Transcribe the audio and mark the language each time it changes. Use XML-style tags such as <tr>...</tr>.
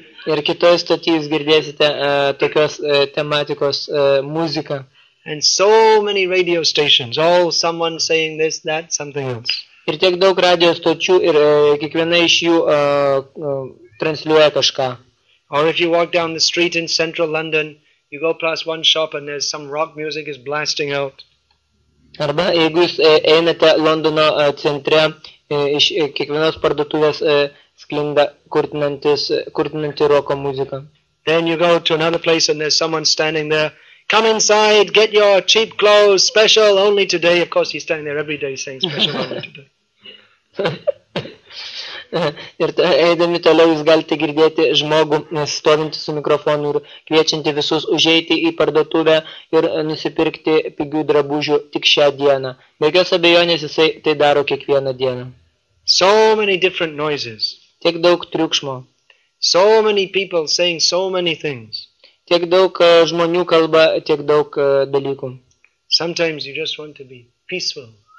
<lt>Ir kitoje stotyje jūs girdėsite tokios tematikos muziką.</lt> <en>And so many radio stations, all someone saying this, that, something else.</en> <lt>Ir tiek daug radio stočių ir kiekviena iš jų transliuoja kažką.</lt> <en>Or if you walk down the street in central London, you go past one shop and there's some rock music is blasting out.</en> <lt>Arba jeigu jūs einate Londono centre, iš kiekvienos parduotuvės sklinda kurtinanti roko muzika.</lt> <en>Then you go to another place and there's someone standing there. Come inside, get your cheap clothes, special only today. Of course, he's standing there every day saying special only today.</en> <lt>Ir eidami toliau, jūs galite girdėti žmogų, stovinti su mikrofonu ir kviečianti visus užeiti į parduotuvę ir nusipirkti pigių drabužių tik šią dieną. Beigios abejonės, jisai tai daro kiekvieną dieną.</lt> <en>So many different noises.</en> <lt>Tiek daug triukšmo.</lt> <en>So many people saying so many things.</en> <lt>Tiek daug žmonių kalba, tiek daug dalykų.</lt> <en>Sometimes you just want to be peaceful.</en>